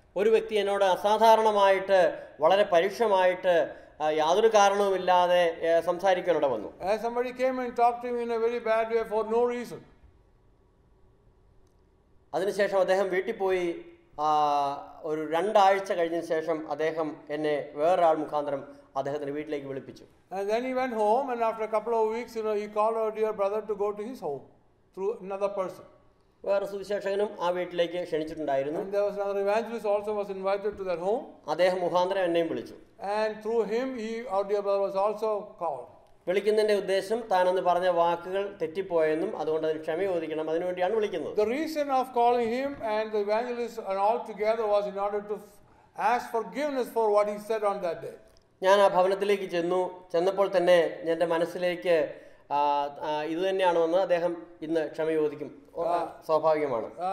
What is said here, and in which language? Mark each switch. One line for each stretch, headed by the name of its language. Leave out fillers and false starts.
Malayalam: ഒരു വ്യക്തി എന്നോട് അസാധാരണമായിട്ട് വളരെ പരുക്ഷമായിട്ട് യാതൊരു കാരണവുമില്ലാതെ സംസാരിക്കാനോട് വന്നു.
English: Somebody came and talked to him in a very bad way for no reason.
Malayalam: അതിനുശേഷം അദ്ദേഹം വീട്ടിൽ പോയി ഒരു രണ്ടാഴ്ച കഴിഞ്ഞ ശേഷം അദ്ദേഹം എന്നെ വേറൊരാൾ മുഖാന്തരം അദ്ദേഹത്തിന്റെ വീട്ടിലേക്ക് വിളിപ്പിച്ചു.
English: And then he went home and after a couple of weeks, you know, he called our dear brother to go to his home through another person.
Malayalam: വേറെ സുവിശേഷകനും ആ വീട്ടിലേക്ക് ക്ഷണിച്ചിട്ടുണ്ടായിരുന്നു.
English: And there was another evangelist also was invited to that home.
Malayalam: അദ്ദേഹം മുഖാന്തരം എന്നെയും വിളിച്ചു.
English: And through him, our dear brother was also called.
Malayalam: വിളിക്കുന്നതിന്റെ ഉദ്ദേശം താൻ അന്ന് പറഞ്ഞ വാക്കുകൾ തെറ്റിപ്പോയെന്നും അതുകൊണ്ട് അതിന് ക്ഷമ ചോദിക്കണം അതിനുവേണ്ടിയാണ് വിളിക്കുന്നത്.
English: The reason of calling him and the evangelist and all together was in order to ask forgiveness for what he said on that day.
Malayalam: ഞാൻ ആ ഭവനത്തിലേക്ക് ചെന്നു ചെന്നപ്പോൾ തന്നെ എൻ്റെ മനസ്സിലേക്ക് ഇത് തന്നെയാണോ എന്ന് അദ്ദേഹം ഇന്ന് ക്ഷമ ചോദിക്കും സ്വാഭാവികമാണ്.